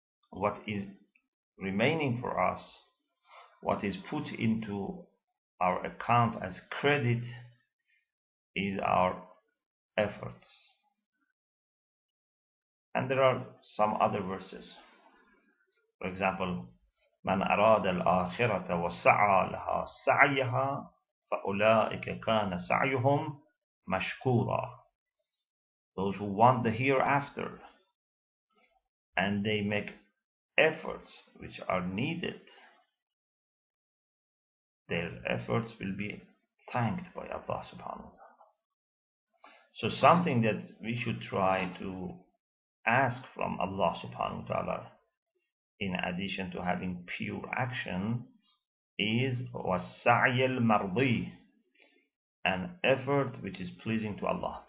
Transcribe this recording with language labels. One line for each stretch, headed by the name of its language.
English: What is remaining for us, what is put into our account as credit, is our efforts. And there are some other verses. For example,
Arabic: من أراد الآخرة وسعى لها سعيها فأولئك كان سعيهم مشكورا.
English: Those who want the hereafter and they make efforts which are needed, their efforts will be thanked by Allah subhanahu wa ta'ala. So something that we should try to ask from Allah subhanahu wa ta'ala in addition to having pure action is
Arabic: وَالسَّعْيَ الْمَرْضِي,
English: an effort which is pleasing to Allah.